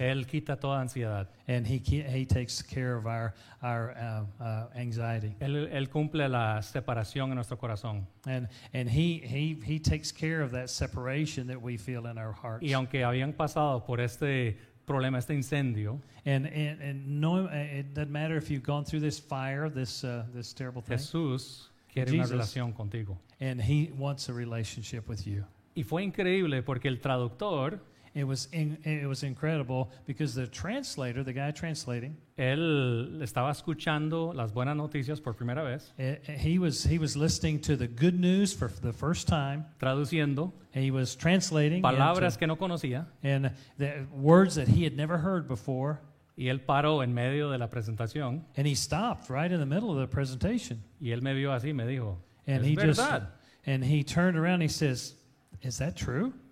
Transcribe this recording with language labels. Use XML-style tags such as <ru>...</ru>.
<es>Él quita toda ansiedad.</es> <en>And he takes care of our anxiety.</en> <es>Él cumple la separación en nuestro corazón.</es> <en>And he takes care of that separation that we feel in our hearts.</en> <es>Y aunque habían pasado por este problema, este incendio,</es> <en>and no, it doesn't matter if you've gone through this fire, this terrible thing.</en> <es>Jesús quiere una relación contigo.</es> <en>And he wants a relationship with you.</en> <es>Y fue increíble porque el traductor,</es> <en>it was incredible because the translator, the guy translating,</en> <es>él estaba escuchando las buenas noticias por primera vez.</es> <en>He was listening to the good news for the first time.</en> <es>Traduciendo.</es> <en>He was translating</en> <es>palabras que no conocía.</es> <en>And the words that he had never heard before.</en> <es>Y él paró en medio de la presentación.</es> <en>And he stopped right in the middle of the presentation.</en> <es>Y él me vio así y me dijo,</es> <en>and he</en> <es>verdad. Just</es> <en>and he turned around and he says, is that true?</en>